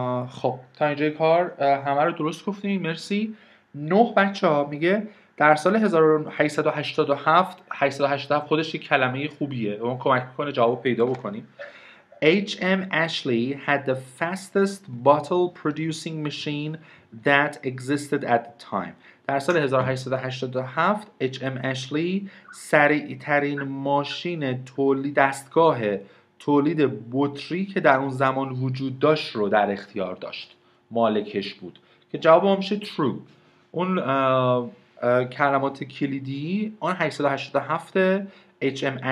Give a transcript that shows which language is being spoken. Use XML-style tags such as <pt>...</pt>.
<fa>خب تا اینجا کار همه رو درست گفتیم، مرسی. نه بچه ها میگه در سال 1887 خودش یک کلمه خوبیه، اون کمک کنه جواب پیدا بکنیم.</fa> <en>H.M. Ashley had the fastest bottle producing machine that existed at the time.</en> <fa>در سال 1887 H.M. Ashley سریع‌ترین ماشین تولید، دستگاه تولید بطری که در اون زمان وجود داشت رو در اختیار داشت، مالکش بود، که جواب ما میشه true. اون کلمات کلیدی اون 887 H.M.</fa>